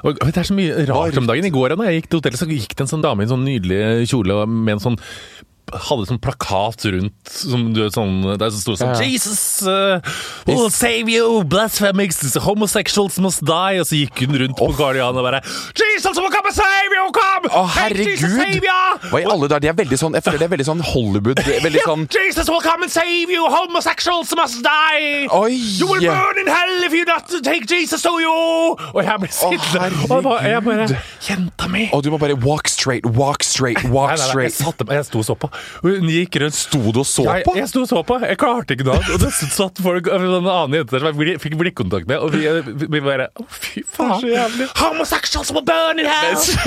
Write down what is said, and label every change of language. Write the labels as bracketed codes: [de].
[no] Og, det så mye rart om dagen. I går da jeg gikk til hotellet, så gikk det en sånn dame i en sånn nydelig kjole med en sånn, hadde sånn plakat rundt som du sånn, det så stor sånn, [en] Jesus will save you, blasphemies, homosexuals must die. [no] Og så gikk hun rundt på Karl-Johan og bare, [en] Jesus will come and save you, come. [no] Å, herregud, hva i alle der, de er veldig sånn, jeg føler det er veldig sånn Hollywood, veldig sånn, [en] Jesus will come and save you, homosexuals must die. [no] Oi. [en] You will burn in hell if you not take Jesus to you. [no] Og jeg ble sittende. Jeg bare, jenta mi, og du må bare [en] walk straight. [no] Nei, jeg sto så på. Hun gikk rundt. Stod og så på? Jeg stod og så på. Jeg klarte ikke noe. Og det satt folk, en annen jente der, som jeg fikk blikkontakt med. Og vi bare, fy faen. Så jævlig. [en] Homosexuals will burn in hell.